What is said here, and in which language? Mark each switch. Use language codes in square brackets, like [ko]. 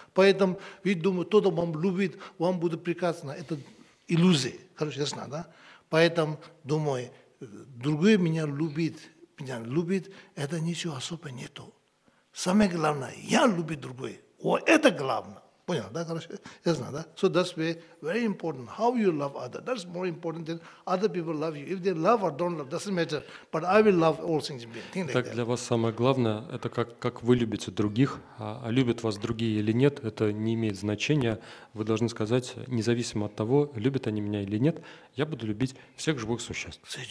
[ru] Поэтому вы думаете, кто-то вам любит, вам будет прекрасно. Это иллюзия. Хорошо, ясно, да? Поэтому, думаю, другой меня любит, это ничего особо нету. Самое главное, я люблю другой. О, это главное. Понял, да, хорошо? Ясно, да? [en] So that's very important, how you love other. That's more important than other people love you. If they love or don't love, doesn't matter. But I will love all things being. Like [ru] так, [en] that. [ru] Для вас самое главное, это как вы любите других, а любят вас другие или нет, это не имеет значения. Вы должны сказать, независимо от того, любят они меня или нет, я буду любить всех живых существ.